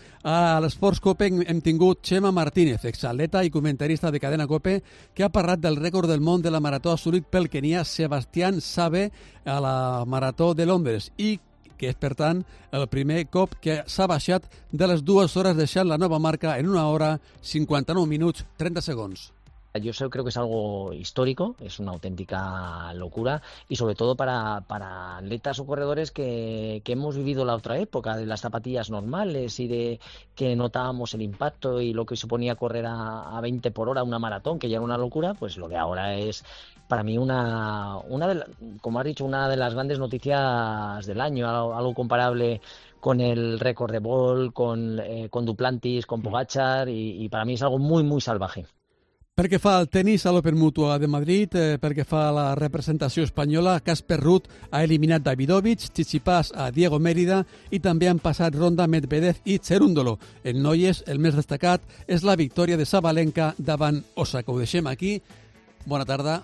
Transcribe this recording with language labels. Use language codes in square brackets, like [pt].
[ca] A l'Esports Cope hem tingut Xema Martínez, exatleta i comentarista de Cadena Cope, que ha parlat del rècord del món de la marató assolit pel kenià Sebastián Sabe a la marató de Londres, i que és, per tant, el primer cop que s'ha baixat de les dues hores, deixant la nova marca en 1 hora, 59 minuts, 30 segons. [es] Yo creo que es algo histórico, es una auténtica locura, y sobre todo para atletas o corredores que hemos vivido la otra época de las zapatillas normales y de que notábamos el impacto y lo que suponía correr a 20 por hora una maratón, que ya era una locura, pues lo de ahora es para mí una de las grandes noticias del año, algo comparable con el récord de Bolt, con Duplantis, con Pogacar, y para mí es algo muy, muy salvaje. [ca] Pel que fa al tenis a l'Open Mutua de Madrid, pel que fa a la representació espanyola, Casper Ruud ha eliminat Davidovich, Tsitsipas a Diego Mérida i també han passat ronda Medvedev i Cerúndolo. En noies, el més destacat és la victòria de Sabalenka davant Osaka. Ho deixem aquí. Bona tarda.